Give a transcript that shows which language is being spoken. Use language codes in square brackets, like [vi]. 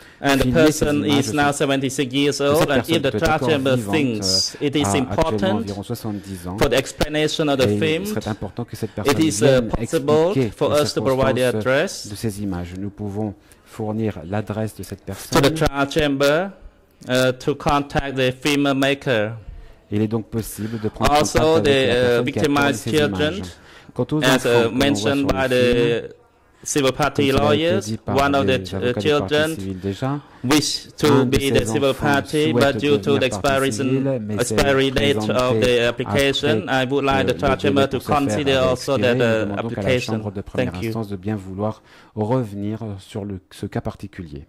[en] And the person is now 76 years old, and if the trial chamber thinks it is important for the explanation of the film, it is possible for us to provide the address [fr] de ces images. Nous pouvons fournir l'adresse de cette personne [en] to the trial chamber to contact the filmmaker. [fr] Il est donc possible de prendre also, contact [en] the victimized children, as mentioned by the civil party lawyers, one of the children wish to be the civil party, but due to the expiry date of the application, I would like the trial chamber to consider also that application. Thank you. [fr] De bien vouloir revenir sur ce cas particulier.